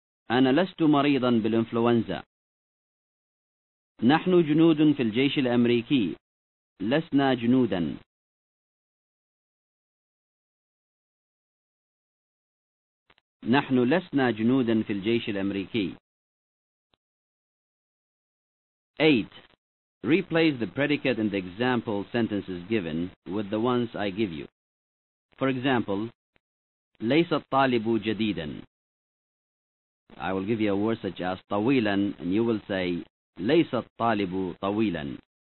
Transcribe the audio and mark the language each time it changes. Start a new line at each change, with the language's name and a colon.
Arabic: أنا لست مريضا بالإنفلونزا. نحن جنود في الجيش الأمريكي. لسنا جنودا. نحن لسنا جنودا في الجيش الأمريكي. 8.
English: Replace the predicate in the example sentences given with the ones I give you. For example,
Arabic: ليس الطالب جديدا.
English: I will give you a word such as طويلا and you will say
Arabic: ليس الطالب طويلا.